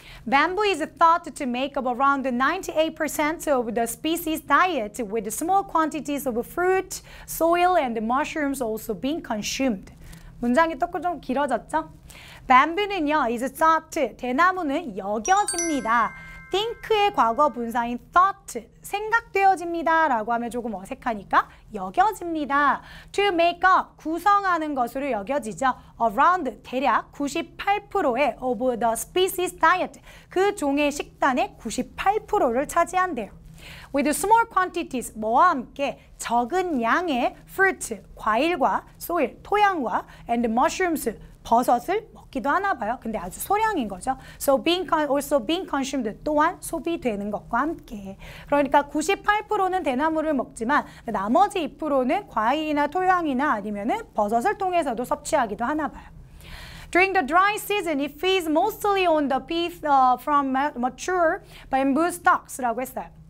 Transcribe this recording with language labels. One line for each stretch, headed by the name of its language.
English: Bamboo is thought to make up around 98% of the species diet, with small quantities of fruit, soil, and mushrooms also being consumed.
Korean: 문장이 조금 좀 길어졌죠? Bamboo는요,
English: is thought,
Korean: 대나무는 여겨집니다. Think의 과거 분사인 thought, 생각되어집니다 라고 하면 조금 어색하니까 여겨집니다.
English: To make up,
Korean: 구성하는 것으로 여겨지죠. Around, 대략 98%의
English: of the species diet,
Korean: 그 종의 식단의 98%를 차지한대요.
English: With small quantities,
Korean: 뭐와 함께 적은 양의 fruit, 과일과 soil, 토양과 and mushrooms, 버섯을 기도 하나 봐요. 근데 아주 소량인 거죠.
English: So being also being consumed,
Korean: 또한 소비되는 것과 함께. 그러니까 98%는 대나무를 먹지만 나머지 2%는 과일이나 토양이나 아니면은 버섯을 통해서도 섭취하기도 하나 봐요.
English: During the dry season, it feeds mostly on the pith from mature bamboo stalks
Korean: 라고 했어요.